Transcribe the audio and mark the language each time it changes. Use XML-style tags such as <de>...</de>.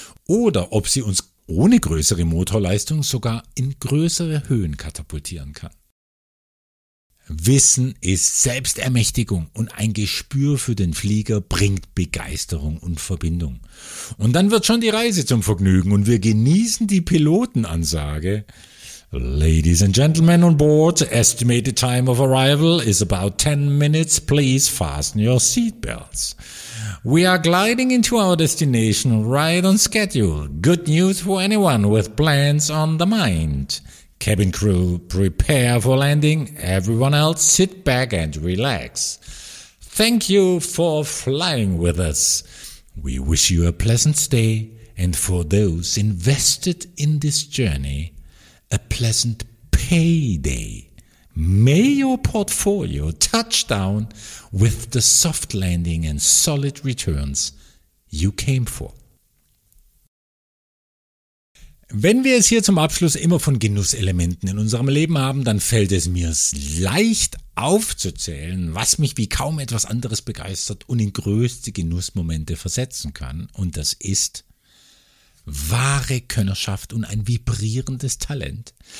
<de>Oder ob sie uns ohne größere Motorleistung sogar in größere Höhen katapultieren kann. Wissen ist Selbstermächtigung und ein Gespür für den Flieger bringt Begeisterung und Verbindung. Und dann wird schon die Reise zum Vergnügen und wir genießen die Pilotenansage.</de> <en>Ladies and gentlemen on board, estimated time of arrival is about 10 minutes. Please fasten your seatbelts. We are gliding into our destination right on schedule. Good news for anyone with plans on the mind. Cabin crew, prepare for landing. Everyone else, sit back and relax. Thank you for flying with us. We wish you a pleasant stay and for those invested in this journey, a pleasant payday. May your portfolio touch down with the soft landing and solid returns you came for.</en> <de>Wenn wir es hier zum Abschluss immer von Genusselementen in unserem Leben haben, dann fällt es mir leicht aufzuzählen, was mich wie kaum etwas anderes begeistert und in größte Genussmomente versetzen kann. Und das ist wahre Könnerschaft und ein vibrierendes Talent.</de>